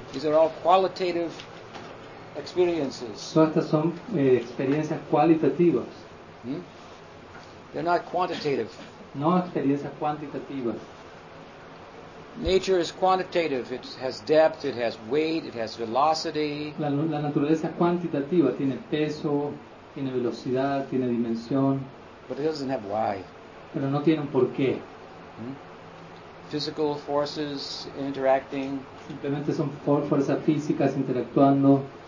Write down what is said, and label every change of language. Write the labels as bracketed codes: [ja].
[en] These are all qualitative experiences. [es] Todas estas son experiencias cualitativas. [en] They're not quantitative. [es] No experiencias cuantitativas. [en] Nature is quantitative. It has depth, it has weight, it has velocity. [es] La naturaleza es cuantitativa. Tiene peso, tiene velocidad, tiene dimensión. [en] But it doesn't have why. [es] Pero no tiene un porqué. [en] Physical forces interacting. [es] Simplemente son fuerzas físicas interactuando.